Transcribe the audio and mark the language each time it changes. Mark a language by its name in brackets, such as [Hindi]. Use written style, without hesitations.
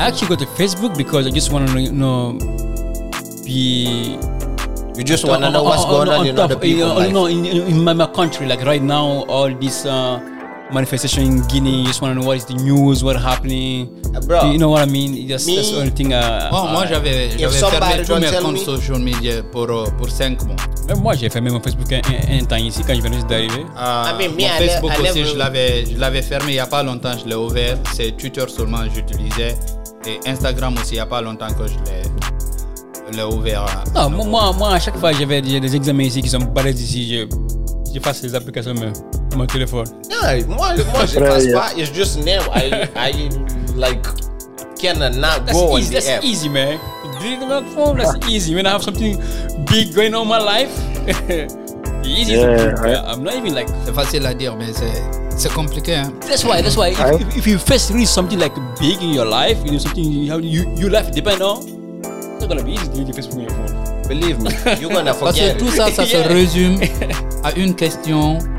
[English] actually go to Facebook because I just want to know. You just want to know what's going on in other people. No, in my country, like right now, all this manifestation in Guinea. Just want to know what is the news, what happening. Bro, you know what I mean? Just, that's the only thing. [French] Moi, j'avais fermé tous mes comptes social media pour 5 mois. Mais moi, j'ai fermé mon Facebook un temps ici quand je venais d'arriver. Mon Facebook aussi, je l'avais fermé il n'y a pas longtemps, je l'ai ouvert. C'est Twitter seulement que j'utilisais. Et Instagram aussi, il n'y a pas longtemps que je l'ai ouvert. Non, moi, à chaque fois, j'ai des examens ici qui sont balèzes ici. Je fasse les applications sur mon téléphone. Moi, je ne passe pas. [English] It's just now. That's easy, man. When I have something big going on in my life, I'm not even like. [French] C'est facile à dire, mais c'est compliqué. Hein? [English] That's why. If you face really something like big in your life, you know something your life depends on. It's not gonna be easy to face from your phone. Believe me, you're gonna forget. [French] Parce que tout ça se résume à une question